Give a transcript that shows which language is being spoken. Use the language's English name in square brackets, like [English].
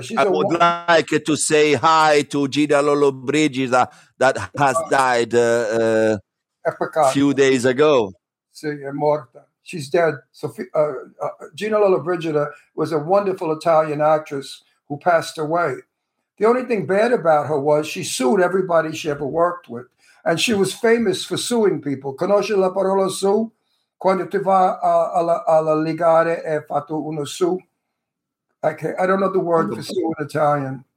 [English] Like to say hi to Gina Lollobrigida that has died a few days ago. [Italian] Sì, è morta. [English] She's dead. Gina Lollobrigida was a wonderful Italian actress who passed away. The only thing bad about her was she sued everybody she ever worked with. And she was famous for suing people. [Italian] Conosce la parola su? Quando tu vai alla ligare e fatto uno su? [English] Okay, I don't know the word for su in Italian.